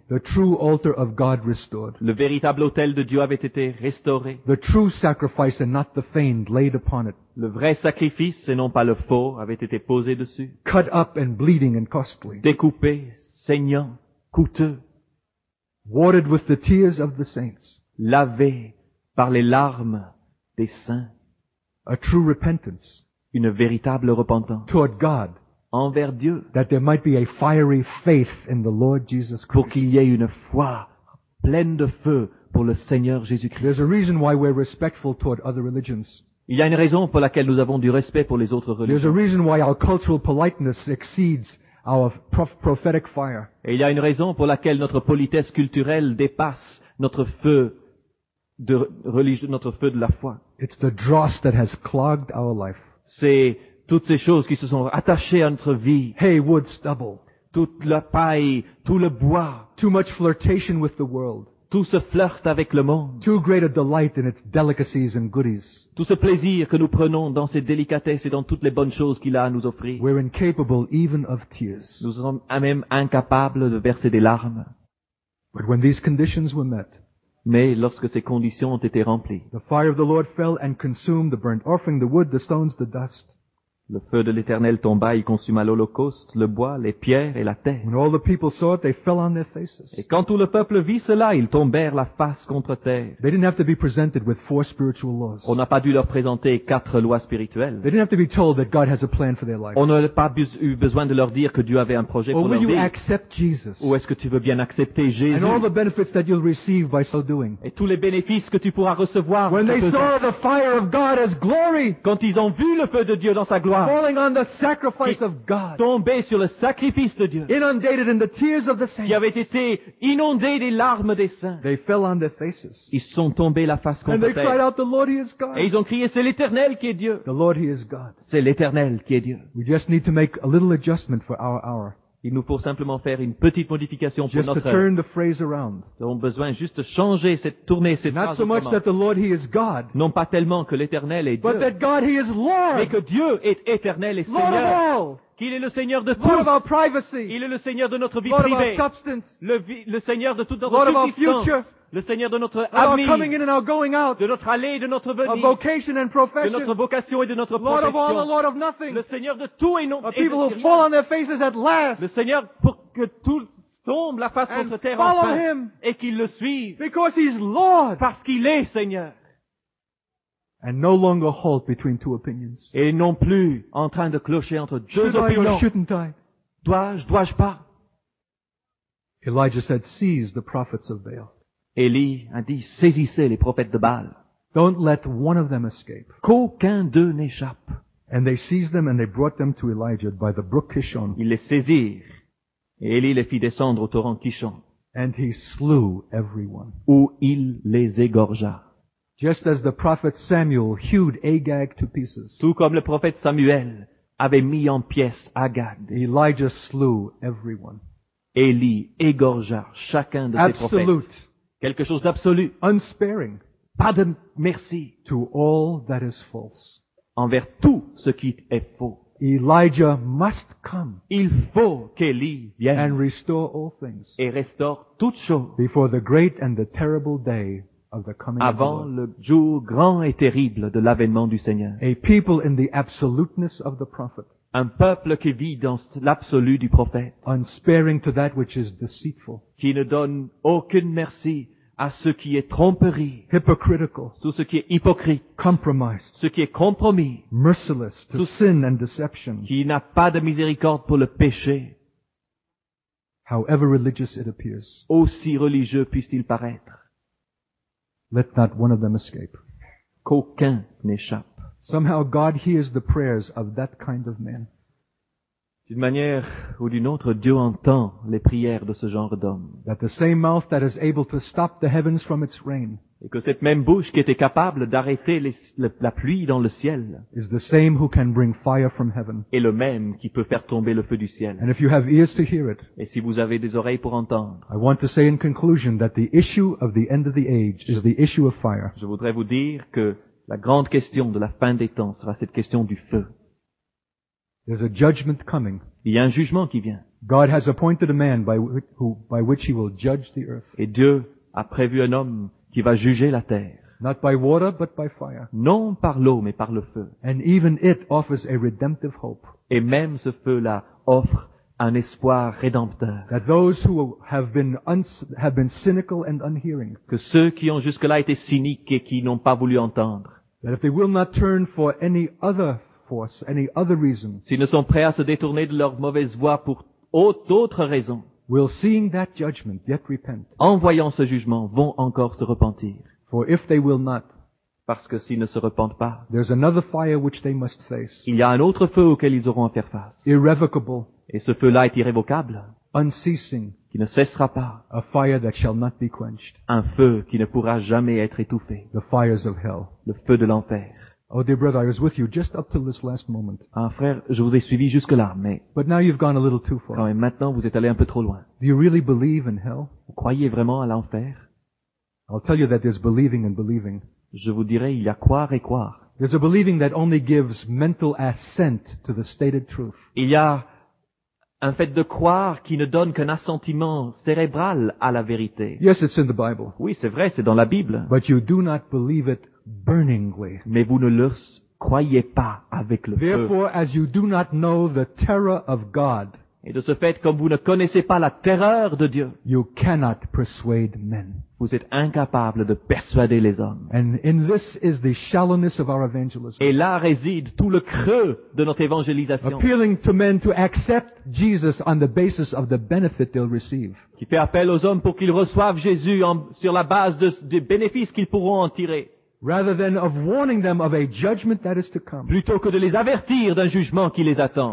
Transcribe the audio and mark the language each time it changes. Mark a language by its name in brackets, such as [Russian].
[English] The true altar of God restored. [French] Le véritable autel de Dieu avait été restauré. [English] The true sacrifice and not the feigned laid upon it. [French] Le vrai sacrifice et non pas le faux avait été posé dessus. [English] Cut up and bleeding and costly. [French] Découpé, saignant, coûteux. [English] Watered with the tears of the saints. [French] Lavé par les larmes des saints. [English] A true repentance. [French] Une véritable repentance. [English] Toward God. [French] Envers Dieu, [English] that there might be a fiery faith in the Lord Jesus Christ. [French] Pour qu'il y ait une foi pleine de feu pour le Seigneur Jésus-Christ. [English] There's a reason why we're respectful toward other religions. [French] Il y a une raison pour laquelle nous avons du respect pour les autres religions. [English] There's a reason why our cultural politeness exceeds our prophetic fire. [French] Et il y a une raison pour laquelle notre politesse culturelle dépasse notre feu de religion, notre feu de la foi. [English] It's the dross that has clogged our life. [French] C'est toutes ces choses qui se sont attachées à notre vie. [English] Hey, wood, stubble. [French] Toute la paille, tout le bois. [English] Too much flirtation with the world. [French] Tout ce flirt avec le monde. [English] Too great a delight in its delicacies and goodies. [French] Tout ce plaisir que nous prenons dans ses délicatesses et dans toutes les bonnes choses qu'il a à nous offrir. [English] We're incapable even of tears. [French] Nous sommes même incapables de verser des larmes. [English] But when these conditions were met, [French] mais lorsque ces conditions ont été remplies, [English] the fire of the Lord fell and consumed the burnt offering, the wood, the stones, the dust. [French] Le feu de l'Éternel tomba et consuma l'holocauste, le bois, les pierres et la terre. [English] When all the people saw it, they fell on their faces. [French] Et quand tout le peuple vit cela, ils tombèrent la face contre terre. [English] They didn't have to be presented with four spiritual laws. [French] On n'a pas dû leur présenter quatre lois spirituelles. [English] They didn't have to be told that God has a plan for their life. [French] On n'a pas eu besoin de leur dire que Dieu avait un projet [English] or [French] pour leur [English] you [French] vie. [English] Accept Jesus? [French] Ou est-ce que tu veux bien accepter Jésus? [English] And all the benefits that you'll receive by so doing. [French] Et tous les bénéfices que tu pourras recevoir. [English] When they saw the fire of God as glory. [French] Quand ils ont vu le feu de Dieu dans sa gloire. [English] Falling on the sacrifice of God. [French] Tombé sur le sacrifice de Dieu. [English] Inundated in the tears of the saints. [French] Qui avait été inondé des larmes des saints. [English] They fell on their faces. [French] Ils sont tombés la face contre terre. [English] And they cried out, "The Lord, He is God." [French] Et ils ont crié, c'est l'Éternel qui est Dieu. [English] The Lord, He is God. [French] C'est l'Éternel qui est Dieu. [English] We just need to make a little adjustment for our hour. [French] Il nous faut simplement faire une petite modification pour [English] just [French] notre heure. [English] Just to turn the phrase around. [French] Nous avons besoin juste de changer cette tournée, cette [English] not [French] phrase. [English] Not so much that the Lord He is God. [French] Non pas tellement que l'Éternel est Dieu. [English] But that God He is Lord. [French] Mais que Dieu est éternel et [English] Lord [French] Seigneur. [English] Lord of all. [French] Qu'il est le Seigneur de [English] Lord [French] tous. [English] Lord of our privacy. [French] Il est le Seigneur de notre vie [English] Lord [French] privée. [English] Lord of our substance. [French] Le Seigneur de toute notre [English] Lord [French] subsistance. [English] Of our future. [French] Le Seigneur de notre avenir, [English] coming in and our going out, [French] de notre aller et de notre venir, [English] of vocation and profession, [French] de notre vocation et de notre [English] Lord [French] profession, [English] of all, Lord of nothing, [French] le Seigneur de tout et non [English] a people who fall on their faces at last, [French] le Seigneur pour que tout tombe la face contre terre enfin, [English] him [French] et qu'il le suive, [English] because he's Lord, [French] parce qu'il est Seigneur, [English] and no longer halt between two opinions, [French] et non plus en train de clocher entre deux [English] should [French] opinions, [English] I or shouldn't I? [French] Dois-je pas? [English] Elijah said, seize the prophets of Baal. [French] Élie a dit, saisissez les prophètes de Baal. [English] Don't let one of them escape. [French] Qu'aucun d'eux n'échappe. [English] And they seized them and they brought them to Elijah by the brook Kishon. [French] Ils les saisirent. Et Élie les fit descendre au torrent Kishon. [English] And he slew everyone. [French] Où il les égorgea. [English] Just as the prophet Samuel hewed Agag to pieces. [French] Tout comme le prophète Samuel avait mis en pièces Agag. [English] Elijah slew everyone. [French] Élie égorgea chacun de [English] absolute. [French] Ses prophètes. Quelque chose d'absolu. [English] Unsparing. [French] Pas de merci. [English] To all that is false. [French] Envers tout ce qui est faux. [English] Elijah must come. [French] Il faut qu'Élie vienne. [English] And restore all things. [French] Et restaure toutes choses. [English] Before the great and the terrible day of the coming. [French] Avant [English] of the [French] le jour grand et terrible de l'avènement du Seigneur. [English] A people in the absoluteness of the prophet. [French] Un peuple qui vit dans l'absolu du prophète. [English] Unsparing to that which is deceitful. [French] Qui ne donne aucune merci à ce qui est tromperie. [English] Hypocritical. [French] Tout ce qui est hypocrite. [English] Compromised. [French] Ce qui est compromis. [English] Merciless to sin and deception. [French] Qui n'a pas de miséricorde pour le péché. [English] However religious it appears. [French] Aussi religieux puisse-t-il paraître. [English] Let not one of them escape. [French] Qu'aucun n'échappe. [English] Somehow God hears the prayers of that kind of man. [French] D'une manière ou d'une autre, Dieu entend les prières de ce genre d'homme. Et que cette même bouche qui était capable d'arrêter la pluie dans le ciel [English] is the same who can bring fire from heaven. [French] Est le même qui peut faire tomber le feu du ciel. [English] And if you have ears to hear it, [French] et si vous avez des oreilles pour entendre, [English] I want to say in conclusion that the issue of the end of the age is the issue of fire. [French] Je voudrais vous dire que la grande question de la fin des temps sera cette question du feu. [English] There's a judgment coming. [French] Il y a un jugement qui vient. [English] God has appointed a man by which he will judge the earth. [French] Et Dieu a prévu un homme qui va juger la terre. [English] Not by water, but by fire. [French] Non par l'eau, mais par le feu. [English] And even it offers a redemptive hope. [French] Et même ce feu-là offre un espoir rédempteur. [English] That those who have been cynical and unhearing. [French] Que ceux qui ont jusque-là été cyniques et qui n'ont pas voulu entendre. [English] That if they will not turn for any other force, any other reason. [French] S'ils ne sont prêts à se détourner de leur mauvaise voie pour d'autres raisons. [English] Will seeing that judgment yet repent. [French] En voyant ce jugement, vont encore se repentir. [English] For if they will not. [French] Parce que s'ils ne se repentent pas. [English] There's another fire which they must face. [French] Il y a un autre feu auquel ils auront à faire face. [English] Irrevocable. [French] Et ce feu-là est irrévocable. [English] Unceasing. [French] Qui ne cessera pas. [English] A fire that shall not be quenched. [French] Un feu qui ne pourra jamais être étouffé. [English] The fires of hell. [French] Le feu de l'enfer. [English] Oh dear brother, I was with you just up till this last moment. [French] Ah frère, je vous ai suivi jusque là, mais. [English] But now you've gone a little too far. [French] Quand même, maintenant vous êtes allé un peu trop loin. [English] Do you really believe in hell? [French] Vous croyez vraiment à l'enfer? [English] I'll tell you that there's believing and believing. [French] Je vous dirai, il y a croire et croire. [English] There's a believing that only gives mental assent to the stated truth. [French] Il y a un fait de croire qui ne donne qu'un assentiment cérébral à la vérité. [English] Yes, it's in the Bible. [French] Oui, c'est vrai, c'est dans la Bible. [English] But you do not believe it. Burningly. [French] Mais vous ne le croyez pas avec le [English] Therefore, Therefore, as you do not know the terror of God, [French] et de ce fait, comme vous ne connaissez pas la terreur de Dieu, [English] you cannot persuade men. [French] Vous êtes incapable de persuader les hommes. [English] And in this is the shallowness of our evangelism. [French] Et là réside tout le creux de notre évangélisation. [English] Appealing to men to accept Jesus on the basis of the benefit they'll receive. [French] Qui fait appel aux hommes pour qu'ils reçoivent Jésus sur la base des bénéfices qu'ils pourront en tirer. [English] Rather than of warning them of a judgment that is to come. [French] Plutôt que de les avertir d'un jugement qui les attend.